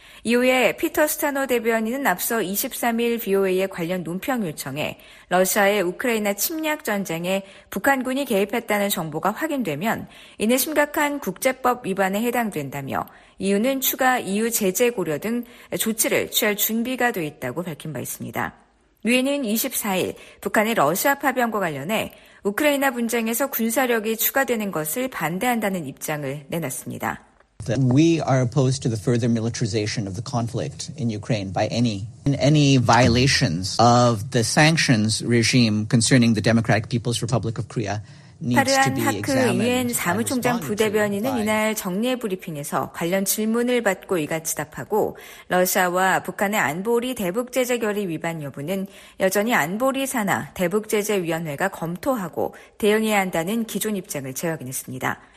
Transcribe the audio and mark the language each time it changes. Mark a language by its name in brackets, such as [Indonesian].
[Korean] 이후에 피터 스타노 대변인은 앞서 23일 VOA의 관련 논평 요청에 러시아의 우크라이나 침략 전쟁에 북한군이 개입했다는 정보가 확인되면 이는 심각한 국제법 위반에 해당된다며 이유는 추가 EU 제재 고려 등 조치를 취할 준비가 돼 있다고 밝힌 바 있습니다. 유엔은 24일 북한의 러시아 파병과 관련해 우크라이나 분쟁에서 군사력이 추가되는 것을 반대한다는 입장을 내놨습니다. [English] That we are opposed to the further militarization of the conflict in Ukraine by any violations of the sanctions regime concerning the Democratic People's Republic of Korea. [Korean] 파르한 하크 유엔 사무총장 부대변인은 이날 정례 브리핑에서 관련 질문을 받고 이같이 답하고 러시아와 북한의 안보리 대북제재 결의 위반 여부는 여전히 안보리 산하 대북제재위원회가 검토하고 대응해야 한다는 기존 입장을 재확인했습니다.